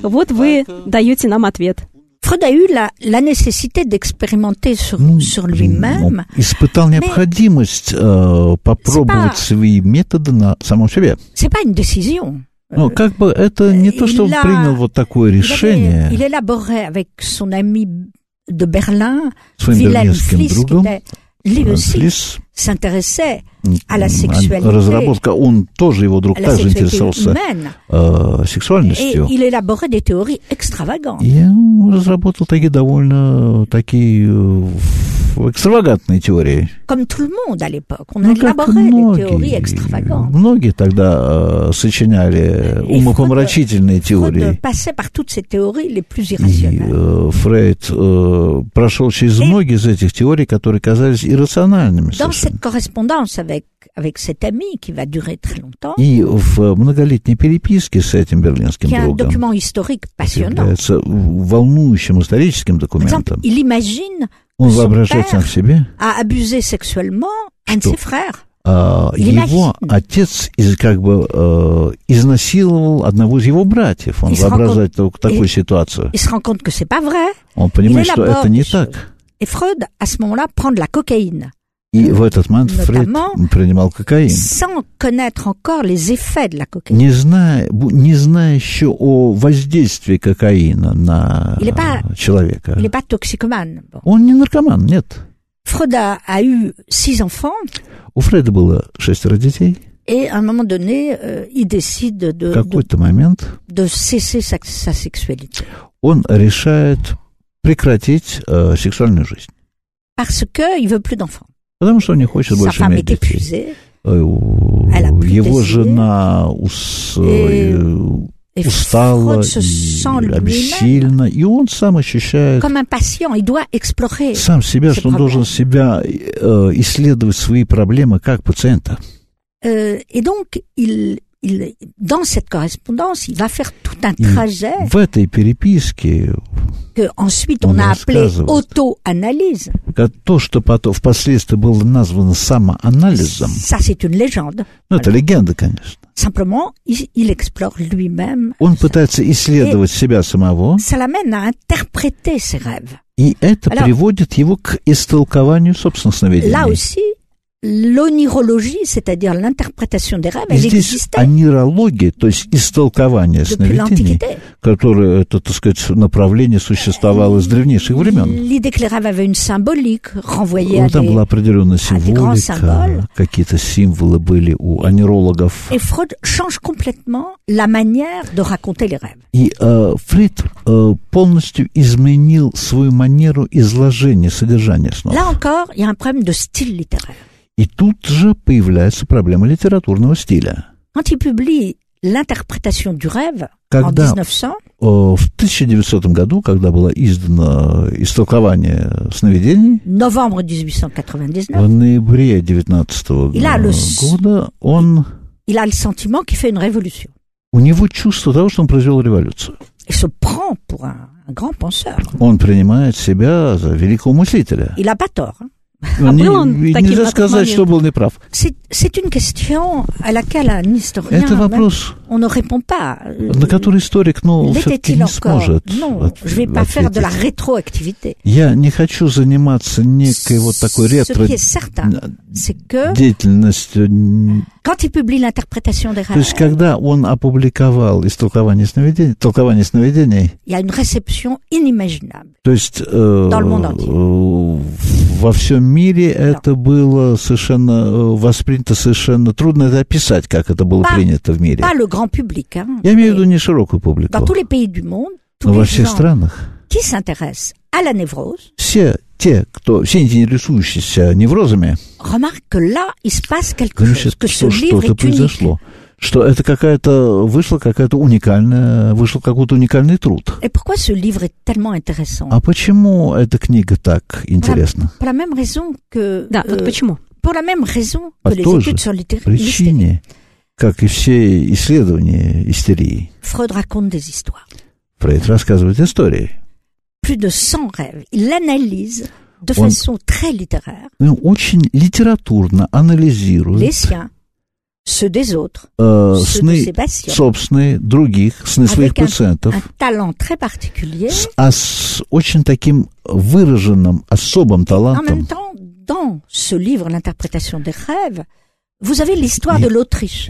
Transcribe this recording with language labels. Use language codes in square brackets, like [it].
[ru] Вот вы даете нам ответ. Фрейд имел необходимость экспериментировать на себе. Испытал необходимость попробовать свои методы на самом себе. Это не решение. Ну, как бы это не то, что он принял вот такое решение. [fr] Il élaborait avec son ami de Berlin, [ru] своим берлинским другом, [fr] Флис, s'intéressait à la sexualité. [ru] Разработка, он тоже, его друг, также интересовался сексуальностью. [fr] Il élaborait des théories extravagantes. [ru] И он разработал такие довольно такие экстравагантные теории. [fr] Comme tout le monde à l'époque. On élaborait des théories extravagantes. [ru] Многие тогда сочиняли умопомрачительные теории. [fr] Freud passait par toutes ces théories les plus irrationnelles. [ru] Фрейд прошел через многие из этих теорий, которые казались иррациональными. [fr] Dans cette correspondance avec cet ami qui va durer très longtemps. [ru] И в многолетней переписке с этим берлинским другом. [fr] Qui est un document historique passionnant. [ru] Является волнующим историческим документом. [fr] Par exemple, il imagine. [ru] Он воображает сам себе, [fr] a abusé sexuellement un de ses frères. [ru] Его отец как бы изнасиловал одного из его братьев. Он воображает такую ситуацию. [fr] Il se rend compte que c'est pas vrai. [ru] Он понимает, что это не так. [fr] Et Freud, à ce moment-là, prend de la cocaïne. [ru] И в этот момент Фрейд принимал кокаин. [fr] Sans connaître encore les effets de la cocaïne. [ru] Не зная еще о воздействии кокаина на человека. [fr] Il est pas toxicoman. [ru] Он не наркоман, нет. [fr] Freud a eu six enfants. [ru] У Фрейда было шестеро детей. [fr] Et à un moment donné, il décide de, [ru] какой-то момент, [fr] de cesser sa sexualité. [ru] Он решает прекратить сексуальную жизнь. Parce que il veut plus d'enfants. Потому что он не хочет больше иметь детей. Его жена устала, обессилена, и он сам ощущает [fr] comme un patient, il doit explorer [ru] сам себя, что он должен себя исследовать свои проблемы как пациента. [fr] Et donc, il, dans cette correspondance, il va faire tout un trajet. [ru] В этой переписке [fr] que ensuite on a appelé auto-analyse. [ru] То, что потом, впоследствии было названо самоанализом. [fr] Ça, c'est une légende. [ru] Ну, это легенда, конечно. [fr] Simplement, il explore lui-même. [ru] Он пытается исследовать [fr] et [ru] себя самого. [fr] Ça l'amène à interpréter ses rêves. [ru] И это [fr] alors, [ru] приводит его к истолкованию собственных сновидений. [fr] Là aussi, l'onirologie, c'est-à-dire l'interprétation des rêves, elle existait. [ru] Здесь онирология, то есть истолкование сновидений, которое, это, так сказать, направление существовало с древнейших времен. [fr] L'idée que les rêves avaient une symbolique, renvoyait [ru] там была определенная символика, какие-то символы были у онирологов. [fr] Et Freud change complètement la manière de raconter les rêves. [ru] И Фрейд полностью изменил свою манеру изложения содержания снов. [fr] Là encore, il y a un problème de style littéraire. [ru] И тут же появляется проблема литературного стиля. [fr] Quand il publie l'interprétation du rêve [ru] когда, [fr] en 1900, [ru] в 1900 году, когда было издано истолкование сновидений, [fr] novembre 1899, [ru] в ноябре 19 года, он [fr] il a le sentiment qu'il fait une révolution. [ru] У него чувство того, что он произвел революцию. [fr] Il se prend pour un grand penseur. [ru] Он принимает себя за великого мыслителя. Il a pas tort. Нельзя сказать, что был неправ. Это вопрос, на который историк, ну, все-таки не сможет ответить. Я не хочу заниматься некой вот такой ретро-деятельностью. То есть, когда он опубликовал «Истолкование сновидений», [fr] il y a une réception inimaginable. [ru] То есть, во всем мире это было совершенно воспринято, совершенно трудно это описать, как это было принято в мире. [fr] Pas le grand public, hein, [ru] я имею в виду не широкую публику. [fr] Dans tous les pays du monde, [ru] но во всех странах [fr] qui s'intéressent à la névrose, [ru] все интересующиеся неврозами [fr] remarque que là, il se passe quelque chose, que ce livre [ru] что-то произошло. Что это какая-то вышла какая-то уникальная, вышел какой-то уникальный труд. [fr] Et pourquoi ce livre est tellement intéressant? [ru] А почему эта книга так интересна? [fr] Pour la même raison que, [ru] да, вот почему. [fr] Pour la même raison que les études sur l'hystérie. [ru] Причине, как и все исследования истерии. [fr] Freud raconte des histoires. [ru] Фрейд рассказывает истории. [fr] Plus de 100 rêves. Il analyse de façon très littéraire. [ru] Он очень литературно анализирует. [fr] Les siens. Ceux des autres, [ru] сны собственные, других, сны своих пациентов. [fr] Un talent très particulier, [ru] с очень таким выраженным, особым талантом. [fr] En même temps, dans ce livre, l'interprétation des rêves, vous avez l'histoire de l'Autriche.